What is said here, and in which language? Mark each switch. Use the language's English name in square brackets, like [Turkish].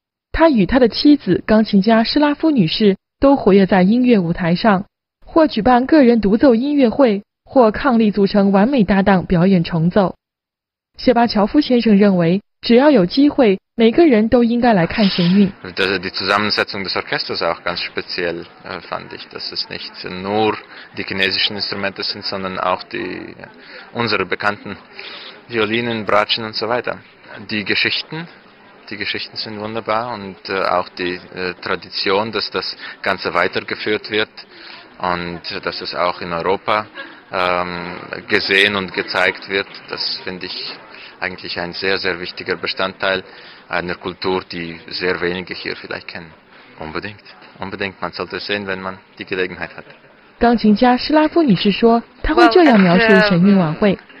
[Chinese] 他与他的妻子钢琴家施拉夫女士都活跃在音乐舞台上，或举办个人独奏音乐会，或伉俪组成完美搭档表演重奏。谢巴乔夫先生认为，只要有机会每个人都应该来看神韵。 [German] Die Zusammensetzung des Orchesters auch ganz speziell, fand ich, dass es nicht nur die chinesischen Instrumente sind, sondern auch die unsere bekannten Violinen, Bratschen und so weiter. Die Geschichten sind wunderbar und auch die Tradition, dass das Ganze weitergeführt wird und dass es auch in Europa gesehen und gezeigt wird, das finde ich eigentlich ein sehr, sehr wichtiger Bestandteil einer Kultur, die sehr wenige hier vielleicht kennen. Unbedingt. Unbedingt. Man sollte es sehen, wenn man die Gelegenheit hat. [Chinese] 钢琴家施拉夫女士说，她会这样描述神韵晚会。